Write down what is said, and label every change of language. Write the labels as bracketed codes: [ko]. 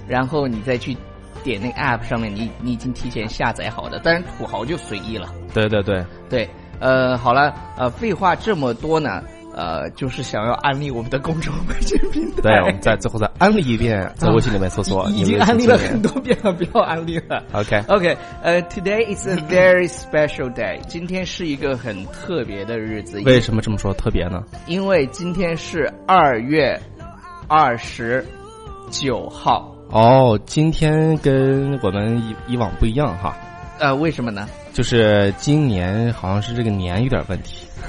[zh] 然后你再去点那个 APP 上面你已经提前下载好的，但是土豪就随意了。对对对对，好了，废话这么多呢，就是想要安利我们的公众微信平台。对，我们再最后再安利一遍，在微信里面搜索、已经安利了很多遍了，不要安利了。 [en] OK OK, Today is a very special day. [zh] 今天是一个很特别的日子。为什么这么说特别呢？因为今天是2月29号。哦，今天跟我们以往不一样哈。为什么呢？就是今年好像是这个年有点问题。